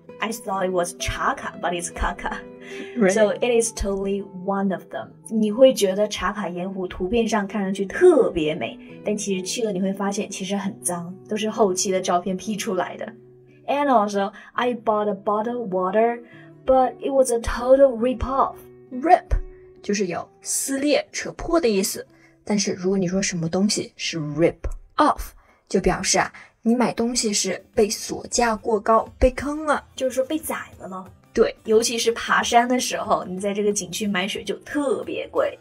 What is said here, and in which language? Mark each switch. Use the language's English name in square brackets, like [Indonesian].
[English] I thought it was 茶卡 but it's Kaka、 right. So it is totally one of them。 [Chinese] 你会觉得茶卡盐湖图片上看上去特别美，但其实去了你会发现其实很脏，都是后期的照片 P 出来的。 [English] And also I bought a bottled water but it was a total rip-off。 [Chinese] Rip 就是有撕裂扯破的意思，但是如果你说什么东西是 rip off， 就表示啊你买东西是被锁价过高被坑了，就是说被宰了咯。对，尤其是爬山的时候你在这个景区买水就特别贵。